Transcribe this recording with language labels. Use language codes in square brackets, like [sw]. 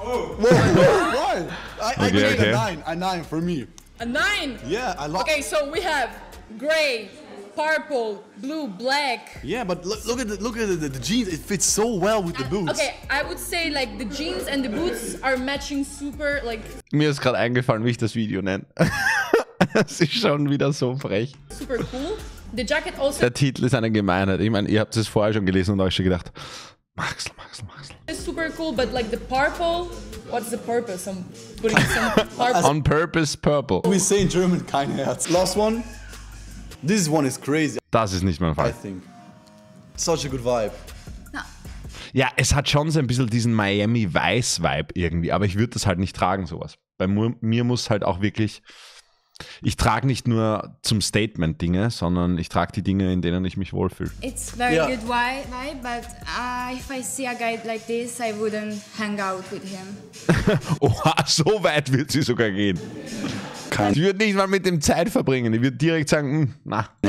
[en] Oh! Why? I gave it a 9. A 9 for me. A 9? Yeah, I love. Okay, so we have gray, purple, blue, black. Yeah, but look at the jeans. It fits so well with the boots. Okay, I would say like the jeans and the boots are matching super like. [de] Mir ist gerade eingefallen, wie ich das Video nenne. Es ist schon wieder so frech. [en] Super cool. The jacket also. [de] Der Titel ist eine Gemeinheit. Ich meine, ihr habt es vorher schon gelesen und euch schon gedacht. Maxl. [en] It's super cool, but like the purple, what's the purpose? I'm putting some purple. On purpose, purple. We say in German, [de] kein Herz. [en] Last one. This one is crazy. [de] Das ist nicht mein Fall. [en] I think. Such a good vibe. [de] Ja, es hat schon so ein bisschen diesen Miami-Weiß-Vibe irgendwie, aber ich würde das halt nicht tragen, sowas. Bei mir muss halt auch wirklich, ich trage nicht nur zum Statement Dinge, sondern ich trage die Dinge, in denen ich mich wohlfühle. [en] It's very good vibe, but if I see a guy like this, I wouldn't hang out with him. [de] Oha, so weit wird sie sogar gehen. Sie würde nicht mal mit dem Zeit verbringen, ich würde direkt sagen, na.